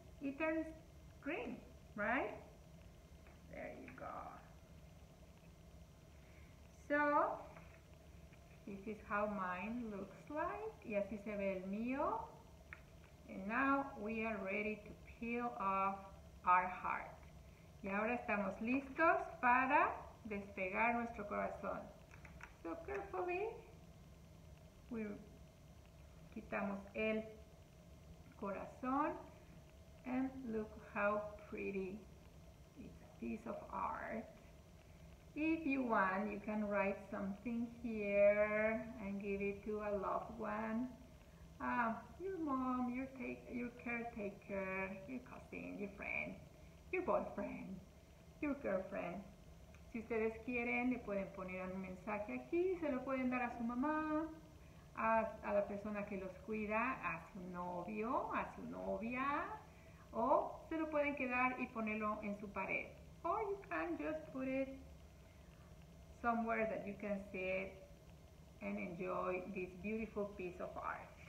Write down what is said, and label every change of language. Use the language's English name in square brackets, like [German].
[English] It turns green, right? There you go. So, this is how mine looks like. [Spanish] Y así se ve el mío. [English] And now we are ready to peel off our heart. [Spanish] Y ahora estamos listos para despegar nuestro corazón. [English] So carefully, we [Spanish] quitamos el corazón. [English] And look how pretty. It's a piece of art. If you want, you can write something here and give it to a loved one, your mom, your caretaker, your cousin, your friend, your boyfriend, your girlfriend. [Spanish] Si ustedes quieren, le pueden poner un mensaje aquí, se lo pueden dar a su mamá, a la persona que los cuida, a su novio, a su novia, o se lo pueden quedar y ponerlo en su pared. [English] Or you can just put it somewhere that you can sit and enjoy this beautiful piece of art.